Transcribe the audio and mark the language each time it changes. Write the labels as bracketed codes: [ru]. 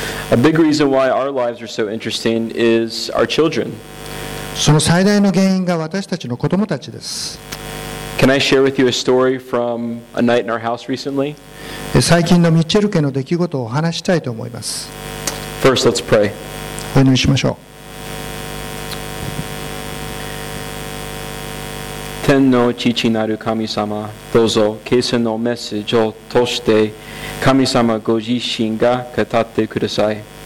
[en] A big reason why our lives are so interesting is our children. [ja] その最大の原因が私たちの子供たちです。 [en] Can I share with you a story from a night in our house recently? [ja] 最近のミッチェル家の出来事をお話したいと思います。 [en] First, let's pray. [ja] お祈りしましょう。天の父なる神様、どうぞ啓示のメッセージを通して神様ご自身が語ってください。